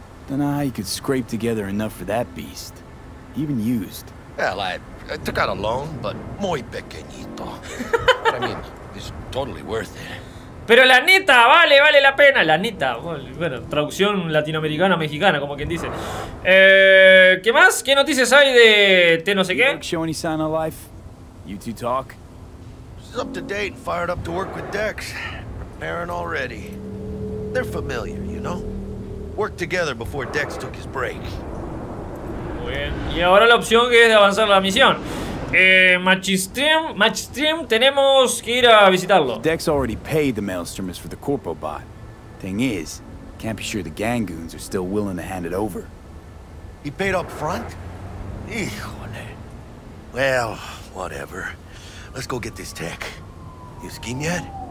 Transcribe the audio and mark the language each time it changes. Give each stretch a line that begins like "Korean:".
English: Then you could scrape together enough for that beast. Even used. Well, I took out a loan, but
Spanish: muy pequeñito.
English: I mean, it's totally worth it.
Spanish: Pero la neta, vale la pena. La neta, bueno, traducción latinoamericana-mexicana, como quien dice. ¿Qué más? ¿Qué noticias hay de te no sé qué?
English: Show any sign of life? You two talk? She's up to date, fired up to work with Dex. Preparing already. They're familiar, you know? Worked together before Dex took his break.
Spanish: Muy bien. Y ahora la opción que es de avanzar la misión. Machistream, tenemos que ir a visitarlo.
English: Dex already paid the Maelstromers for the Corpo bot. Thing is, can't be sure the gang goons are still willing to hand it over. He paid up front? Híjole. Well, whatever. Let's go get this tech. You scheme yet?